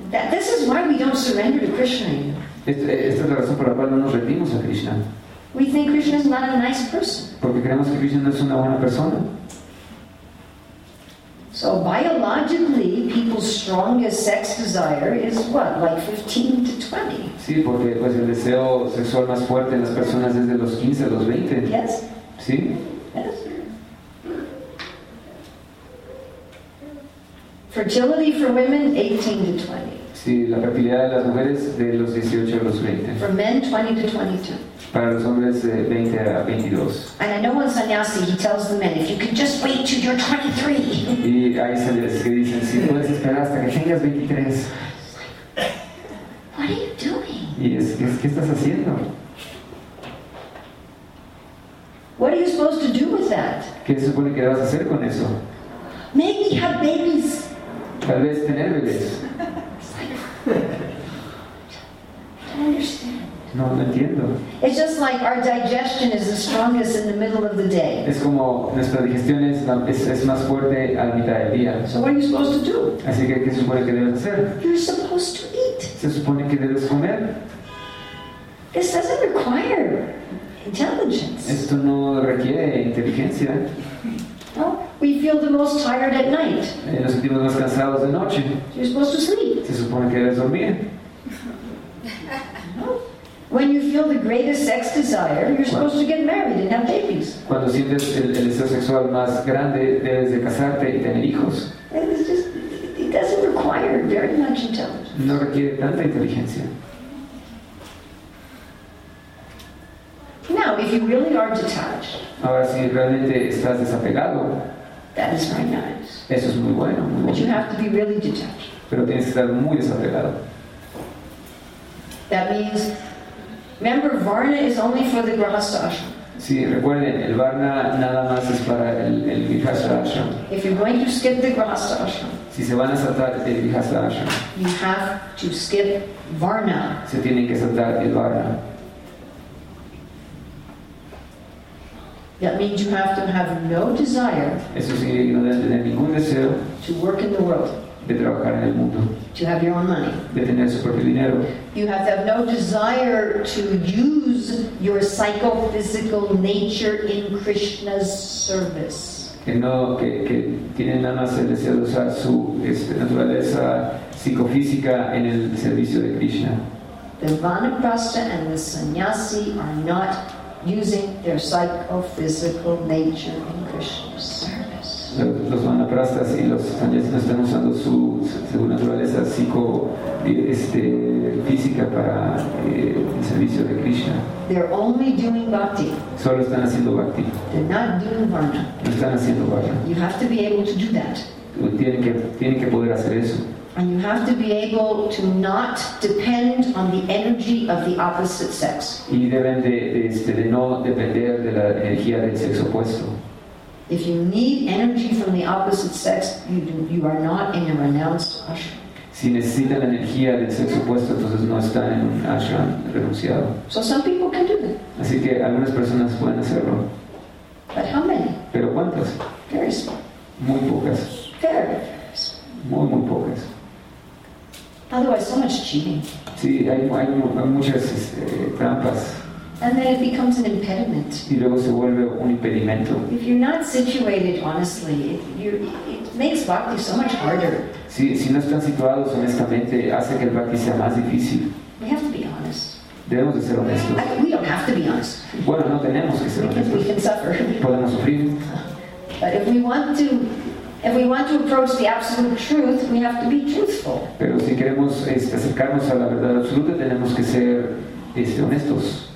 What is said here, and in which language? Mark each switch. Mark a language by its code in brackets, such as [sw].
[en] This is why we don't surrender to Krishna anymore. [es] Esta es la razón por la cual no nos rendimos a Krishna. [en] We think Krishna is not a nice person. [es] Porque creemos que Krishna no es una buena persona. [en] So biologically, people's strongest sex desire is what, like 15 to 20? [es] Sí, porque pues el deseo sexual más fuerte en las personas es de los 15 a los 20. [en] Yes. [es] Sí. [en] Yes. Fertility for women, 18 to 20. [es] Sí, la fertilidad de las mujeres de los 18 a los 20. [en] For men, 20 to 22. [es] Para los hombres, 20 a 22. [en] And I know in sannyasi, he tells the men, if you could just wait till you're 23. [es] Y ahí se les dicen, si puedes esperar hasta que tengas 23. [en] What are you doing? [es] Y es, ¿qué estás haciendo? [en] What are you supposed to do with that? [es] ¿Qué se supone que vas a hacer con eso? [en] Maybe have babies. [es] Tal vez tener bebés. No, no entiendo. [en] It's just like our digestion is the strongest in the middle of the day. [es] Es como nuestra digestión es más fuerte a mitad del día. [en] So what are you supposed to do? [es] Así que, ¿qué se supone que debes hacer? [en] You're supposed to eat. [es] Se supone que debes comer. [en] This doesn't require intelligence. [es] Esto no requiere inteligencia. [en] Well, we feel the most tired at night. [es] Nos sentimos más cansados de noche. [en] You're supposed to sleep. [es] Se supone que debes dormir. [en] When you feel the greatest sex desire, you're supposed to get married and have babies. [es] Cuando sientes el deseo sexual más grande, debes de casarte y tener hijos. [en] It doesn't require very much intelligence. [es] No requiere tanta inteligencia. [en] Now, if you really are detached, [es] ahora, si realmente estás desapegado, [en] That is very nice. [es] Eso es muy bueno, muy bueno. [en] But you have to be really detached. [es] Pero tienes que estar muy desapegado. [en] That means, remember, Varna is only for the Grahastha Ashram. [es] Sí, recuerden, el Varna nada más es para el Grahastha Ashram. [en] If you're going to skip the Grahastha Ashram, [es] si se van a saltar el Grahastha Ashram, [en] you have to skip Varna. [es] Se tienen que saltar el Varna. [en] That means you have to have no desire. [es] Eso significa que no deben tener ningún deseo. [en] To work in the world. [es] De trabajar en el mundo. [en] To have your own money. [es] De tener su propio dinero. [en] You have to have no desire to use your psychophysical nature in Krishna's service. [es] Que no, que tienen nada más el deseo de usar su naturaleza psicofísica en el servicio de Krishna. [en] The Vanaprastha and the Sannyasi are not using their psychophysical nature in Krishna's service. [es] Los vanaprastas y los sannyasis no están usando su naturaleza psicofísica para el servicio de Krishna. [en] They're only doing bhakti. [es] Solo están haciendo bhakti. [en] They're not doing varna. [es] No están haciendo varna. [en] You have to be able to do that. [es] Tienen que poder hacer eso. [en] And you have to be able to not depend on the energy of the opposite sex. [es] Y deben de no depender de la energía del sexo opuesto. [en] If you need energy from the opposite sex, you are not in a renounced ashram. [es] Si necesitan la energía del sexo opuesto, entonces no están en un ashram renunciado. [en] So some people can do it. [es] Así que algunas personas pueden hacerlo. [en] But how many? [es] Pero ¿cuántas? [en] Very small. [es] Muy pocas. [en] Very, very small. [es] Muy, muy pocas. [en] Otherwise, so much cheating. [es] Sí, hay muchas trampas. [en] And then it becomes an impediment. [es] Y luego se vuelve un impedimento. [en] If you're not situated honestly, it makes bhakti so much harder. [es] Si no están situados honestamente, hace que el bhakti sea más difícil. [en] We have to be honest. [es] Debemos de ser honestos. [en] We don't have to be honest. [es] Bueno, no tenemos que ser honestos. [en] We can suffer. [es] Podemos sufrir. [en] But if we want to approach the absolute truth, we have to be truthful. [es] Pero si queremos acercarnos a la verdad absoluta, tenemos que ser honestos.